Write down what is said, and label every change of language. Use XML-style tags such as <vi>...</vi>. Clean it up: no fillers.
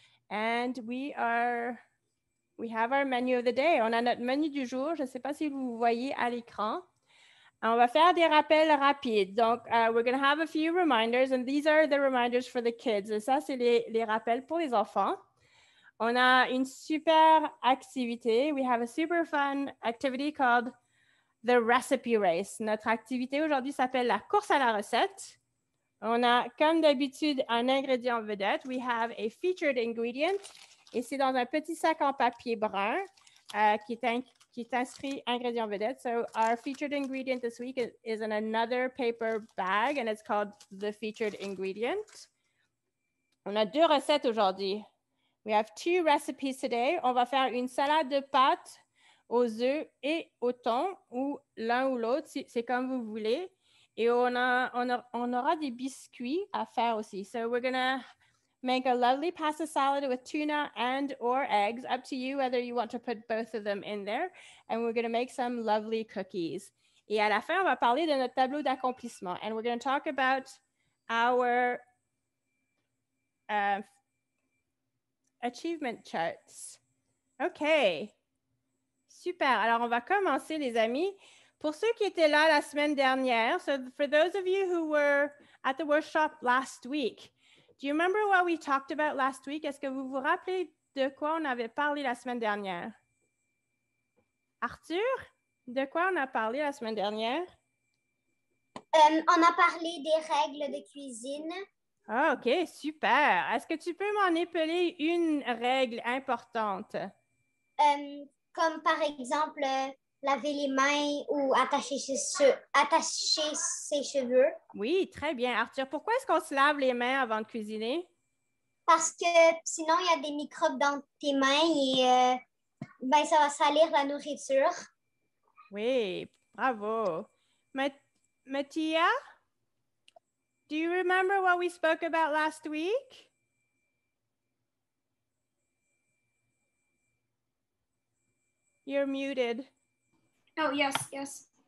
<en>And we have our menu of the day.</en> <fr>On a notre menu du jour. Je ne sais pas si vous voyez à l'écran. On va faire des rappels rapides.</fr> <en>Donc, we're going to have a few reminders. And these are the reminders for the kids.</en> <fr>Et ça, c'est les rappels pour les enfants. On a une super activité.</fr> <en>We have a super fun activity called The Recipe Race.</en> <fr>Notre activité aujourd'hui s'appelle la course à la recette. On a, comme d'habitude, un ingrédient vedette.</fr> <en>We have a featured ingredient.</en> <fr>Et c'est dans un petit sac en papier brun qui est inscrit ingrédient vedette.</fr> <en>So, our featured ingredient this week is in another paper bag and it's called the featured ingredient.</en> <fr>On a deux recettes aujourd'hui.</fr> <en>We have two recipes today.</en> <fr>On va faire une salade de pâtes aux œufs et au thon, ou l'un ou l'autre, c'est comme vous voulez. Et on aura des biscuits à faire aussi.</fr> <en>So we're going to make a lovely pasta salad with tuna and or eggs. Up to you whether you want to put both of them in there. And we're going to make some lovely cookies.</en> <fr>Et à la fin, on va parler de notre tableau d'accomplissement.</fr> <en>And we're going to talk about our achievement charts. Okay. Super.</en> <fr>Alors, on va commencer, les amis. Pour ceux qui étaient là la semaine dernière,</fr> <en>so for those of you who were at the workshop last week, do you remember what we talked about last week?</en> <fr>Est-ce que vous vous rappelez de quoi on avait parlé la semaine dernière? Arthur, de quoi on a parlé la semaine dernière? On a parlé des règles de cuisine. Oh, OK, super. Est-ce que tu peux m'en épeler une règle importante? Comme par exemple, laver les mains ou attacher ses cheveux. Oui, très bien. Arthur, pourquoi est-ce qu'on se lave les mains avant de cuisiner? Parce que sinon, il y a des microbes dans tes mains et ça va salir la nourriture. Oui, bravo.</fr> <en>Mattia, do you remember what we spoke about last week? You're muted. Oh, yes.</en>